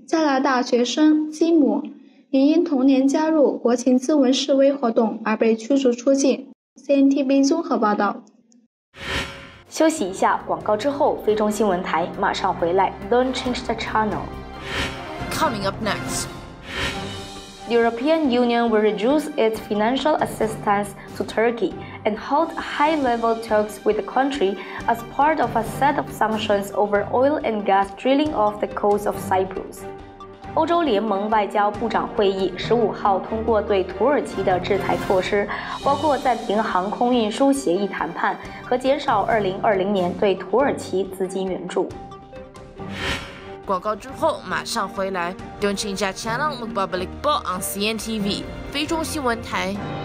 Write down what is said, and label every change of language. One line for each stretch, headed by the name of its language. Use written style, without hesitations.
Chinese: 加拿大学生基姆也因同年加入国情咨文示威活动而被驱逐出境。 CNTV 综合报道。休息一下，广告之后，菲中新闻台马上回来。
English: Don't change the channel. Coming up next. The European Union will reduce its financial assistance to Turkey and hold high-level talks with the country as part of a set of sanctions over oil and gas drilling off the coast of Cyprus.
Chinese: 欧洲联盟外交部长会议15号通过对土耳其的制裁措施，包括暂停航空运输协议谈判和减少2020年对土耳其资金援助。广告之后马上回来。
English: Don't change that channel with Public Ball on CNTV
Chinese: 菲中新闻台。